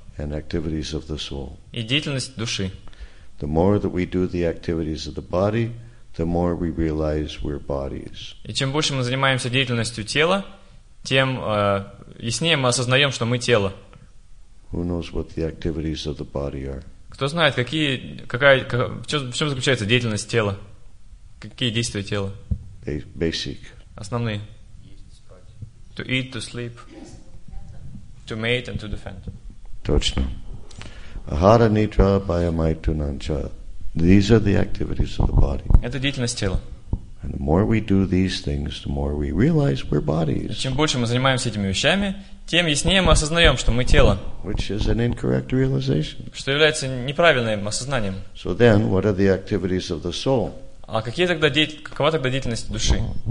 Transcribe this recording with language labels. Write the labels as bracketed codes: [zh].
[en] And activities of the soul. [ru] И деятельность души. [en] The more that we do the activities of the body, the more we realize we're bodies. [ru] И чем больше мы занимаемся деятельностью тела, тем яснее мы осознаем, что мы тело. [en] Who knows what the activities of the body are? [ru] Кто знает, в чем заключается деятельность тела? Какие действия тела? [en] Basic. [ru] Основные. [en] To eat, to sleep, to mate and to defend. [ru] Точно. [sa] Ahara nidra bayamaitu nancha. [en] These are the activities of the body. [ru] Это деятельность тела. [en] And the more we do these things, the more we realize we're bodies. [ru] Чем больше мы занимаемся этими вещами, тем яснее мы осознаем, что мы тело. [en] Which is an incorrect realization. [ru] Что является неправильным осознанием. [en] So then, what are the activities of the soul? [ru] А какие тогда какова тогда деятельность души?